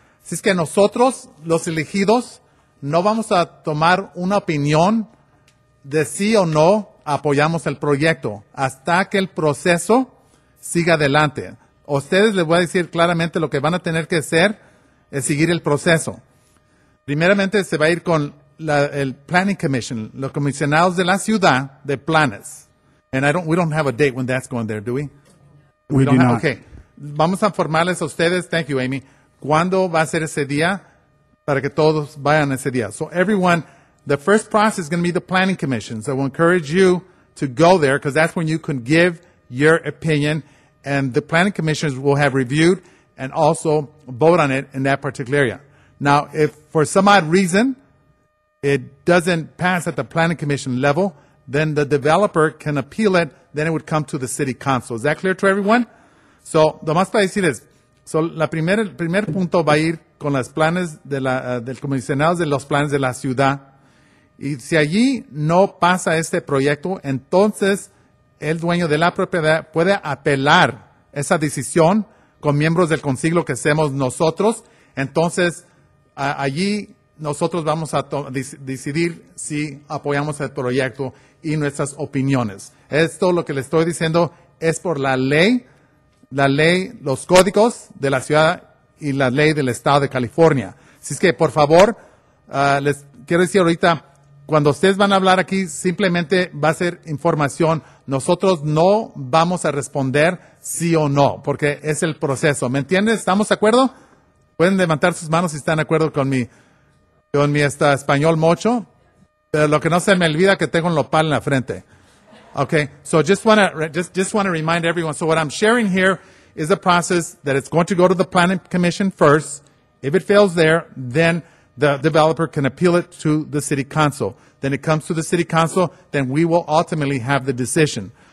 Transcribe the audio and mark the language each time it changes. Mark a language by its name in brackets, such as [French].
[Spanish] Si es que nosotros, los elegidos, no vamos a tomar una opinión de sí o no apoyamos el proyecto hasta que el proceso siga adelante. Ustedes les voy a decir claramente lo que van a tener que hacer es seguir el proceso. Primeramente se va a ir con el Planning Commission, los comisionados de la ciudad de planes. [English] And we don't have a date when that's going there, do we? We do not. [Spanish] Okay. Vamos a informarles a ustedes, [English] thank you, [Spanish] Amy, ¿cuándo va a ser ese día? Para que todos vayan ese día. [English] So everyone, the first process is going to be the Planning Commission. So I will encourage you to go there because that's when you can give your opinion. And the Planning Commission will have reviewed and also vote on it in that particular area. Now, if for some odd reason it doesn't pass at the Planning Commission level, then the developer can appeal it. Then it would come to the City Council. Is that clear to everyone? [Spanish] So lo más para decir es, so el primer punto va a ir con los planes de la del comisionado de los planes de la ciudad, y si allí no pasa este proyecto, entonces el dueño de la propiedad puede apelar esa decisión con miembros del consiglo que seamos nosotros, entonces allí nosotros vamos a decidir si apoyamos el proyecto y nuestras opiniones. Esto lo que le estoy diciendo es por la ley, los códigos de la ciudad y la ley del estado de California. Así es que, por favor, les quiero decir ahorita, cuando ustedes van a hablar aquí, simplemente va a ser información. Nosotros no vamos a responder sí o no, porque es el proceso. ¿Me entiendes? ¿Estamos de acuerdo? Pueden levantar sus manos si están de acuerdo con mi español mocho. Pero lo que no se me olvida que tengo un nopal en la frente. [English] Okay. So just want to remind everyone. So what I'm sharing here is a process that it's going to go to the planning commission first. If it fails there, then the developer can appeal it to the city council. Then it comes to the city council, then we will ultimately have the decision.